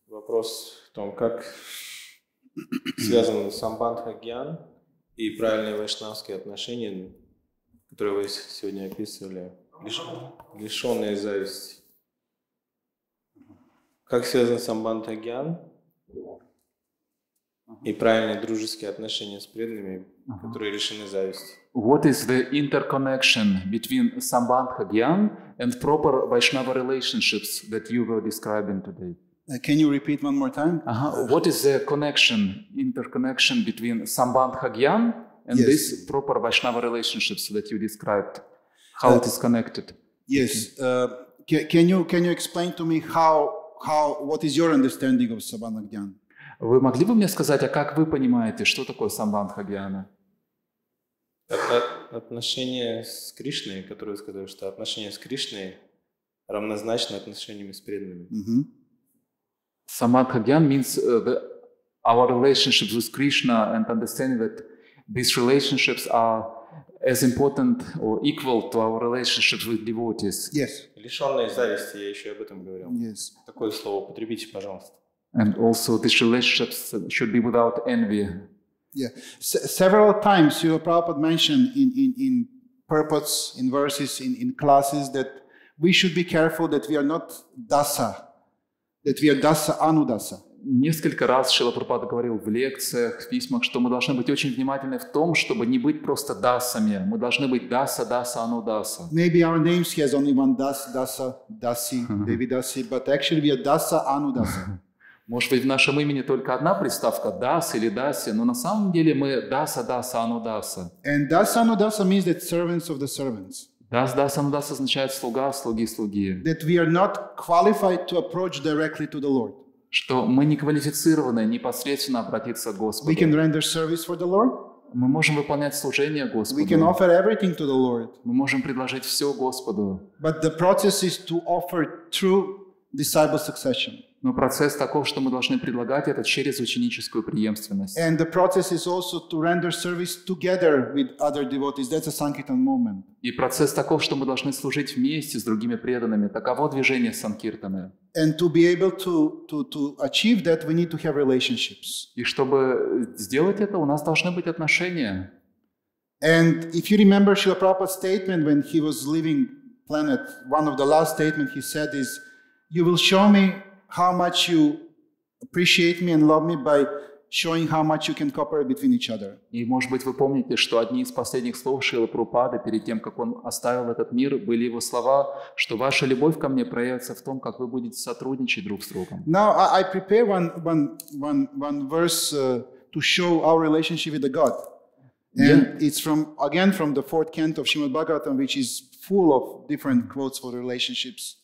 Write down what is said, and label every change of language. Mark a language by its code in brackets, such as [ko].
[ru] Вопрос в том, как связан самбандха гьян и правильные вайшнавские отношения, которые вы сегодня описывали, лишенные зависти. Как связан самбандха гьян и правильные дружеские отношения с преданными, которые лишены зависти? [en] What is the interconnection between Sambandha Gyan and proper Vaishnava relationships that you were describing today? Can you repeat one more time? What is the connection, interconnection between Sambandha Gyan and yes. this proper Vaishnava relationships that you described? How it is connected? Yes. Can you explain to me how what is your understanding of Sambandha Gyan? [ru] Вы могли бы мне сказать, а как вы понимаете, что такое Самбандха Гьяна? Это отношение с Кришной, которое вы сказали, что отношение с Кришной равнозначно отношениями с преданными. [en] Самбандха Гьян means our relationships with Krishna and understanding that these relationships are as important or equal to our relationships with devotees. Yes. [ru] Лишенные зависти, я еще об этом говорил. [en] Yes. [ru] Такое слово употребите, пожалуйста. [en] And also these relationships should be without envy. Yeah. Several times you Prabhupada mentioned in purports, in verses, in classes that we should be careful that we are not dasa, that we are dasa anudasa. [ru] Несколько раз Шрила Прабхупада говорил в лекциях, в письмах, что мы должны быть очень внимательны в том, чтобы не быть просто дасами. Мы должны быть даса, даса, анудаса. [en] Maybe our names has only one dasa, dasa, dasi, devidasi, but actually we are dasa anudasa. [ru] Может быть, в нашем имени только одна приставка «дас» или «даси», но на самом деле мы «даса, даса, анудаса». [en] And «даса, анудаса» means that servants of the servants. [ru] «Дас, даса, анудаса» означает «слуга, слуги, слуги». [en] That we are not qualified to approach directly to the Lord. [ru] Что мы не квалифицированы непосредственно обратиться к Господу. [en] We can render service for the Lord. [ru] Мы можем выполнять служение Господу. [en] We can offer everything to the Lord. [ru] Мы можем предложить все Господу. [en] But the process is to offer true disciple succession. [ru] Но процесс таков, что мы должны предлагать это через ученическую преемственность. [en] And the process is also to render service together with other devotees. That's a sankirtan movement. [ru] И процесс таков, что мы должны служить вместе с другими преданными. Таково движение санкиртаны. [en] And to be able to achieve that, we need to have relationships. [ru] И чтобы сделать это, у нас должны быть отношения. [en] And if you remember Srila Prabhupada's statement when he was leaving planet, one of the last statement he said is, "You will show me how much you appreciate me and love me by showing how much you can cooperate between each other." [ru] И, может быть, вы помните, что одни из последних слов Шрилы Прабхупады перед тем, как он оставил этот мир, были его слова, что ваша любовь ко мне проявится в том, как вы будете сотрудничать друг с другом. [en] Now I prepare one verse to show our relationship with the God. And yeah. It's from again from the fourth canto of Srimad Bhagavatam, which is full of different quotes for relationships.